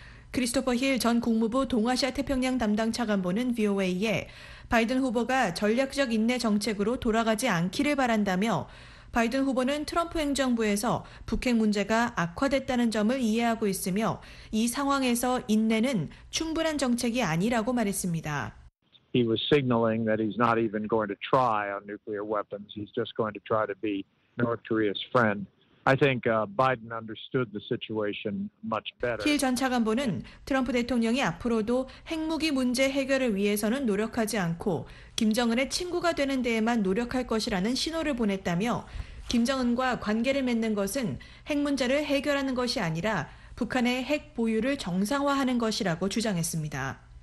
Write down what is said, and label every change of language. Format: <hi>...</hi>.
<ko>크리스토퍼 힐 전 국무부 동아시아 태평양 담당 차관보는 VOA에 바이든 후보가 전략적 인내 정책으로 돌아가지 않기를 바란다며 바이든 후보는 트럼프 행정부에서 북핵 문제가 악화됐다는 점을 이해하고 있으며 이 상황에서 인내는 충분한 정책이 아니라고 말했습니다.</ko> <en>He was signaling that he's not even going to try on nuclear weapons. He's just going to try to be North Korea's friend. I think Biden understood the situation much better.</en> <ko>힐 전 차관보는 트럼프 대통령이 앞으로도 핵무기 문제 해결을 위해서는 노력하지 않고 김정은의 친구가 되는 데에만 노력할 것이라는 신호를 보냈다며 김정은과 관계를 맺는 것은 핵 문제를 해결하는 것이 아니라 북한의 핵 보유를 정상화하는 것이라고 주장했습니다.</ko>